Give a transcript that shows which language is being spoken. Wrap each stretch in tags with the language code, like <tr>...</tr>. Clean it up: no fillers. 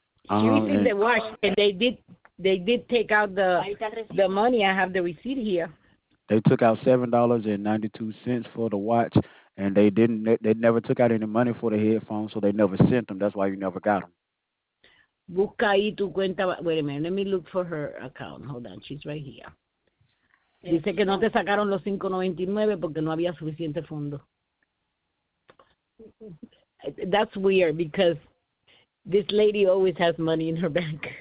<en>She received the watch, and they did. They did take out the money. I have the receipt here. They took out $7.92 for the watch, and they never took out any money for the headphones, so they never sent them. That's why you never got them.</en> <es>Busca ahí tu cuenta.</es> <en>Wait a minute. Let me look for her account. Hold on. She's right here.</en> <es>Dice que no te sacaron los $5.99 porque no había suficiente fondo.</es> <en>That's weird because this lady always has money in her bank.</en>